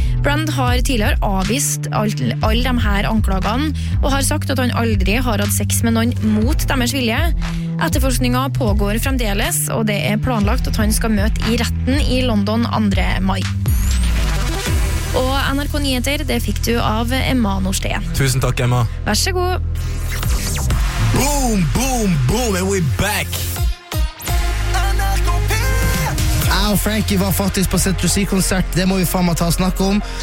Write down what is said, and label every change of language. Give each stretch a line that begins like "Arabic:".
Norwegian: Brand har tidligere avvist alle de her anklagene, og har sagt at han aldri har hatt sex med noen mot deres vilje. Etterforskningen pågår fremdeles, og det er planlagt at han skal møte i retten i London 2. mai. Og NRK Nyheter, det fikk du av Emma Nordsten. Tusen takk, Emma. Vær så god.
English: Boom, boom, boom, and we're back.
Norwegian: Jeg og Frankie var faktisk på Z2C-konsert. Det må vi faen meg ta og snakke om.